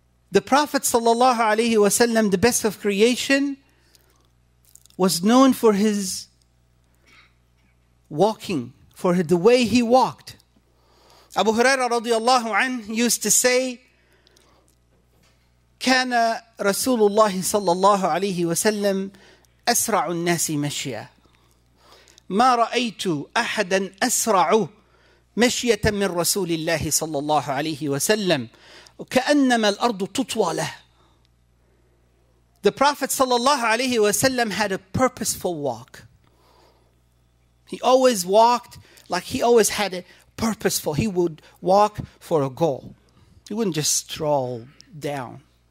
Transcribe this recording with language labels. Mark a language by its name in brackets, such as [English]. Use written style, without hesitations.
[English] The Prophet sallallahu alayhi wa sallam, the best of creation, was known for his walking, for the way he walked. Abu Huraira radiallahu anhu used to say, [Arabic] كَانَ رَسُولُ اللَّهِ صَلَّى اللَّهُ عَلَيْهِ وَسَلَّمْ أَسْرَعُ النَّاسِ مَشْيًا مَا رَأَيْتُ أَحَدًا أَسْرَعُ مَشْيَةً مِنْ رَسُولِ اللَّهِ صَلَّى اللَّهُ عَلَيْهِ وَسَلَّمْ كَأَنَّمَا الْأَرْضُ تُطْوَلَهُ. [English] The Prophet sallallahu alayhi wa sallam had a purposeful walk. He always walked like he always had a purposeful. He would walk for a goal. He wouldn't just stroll down.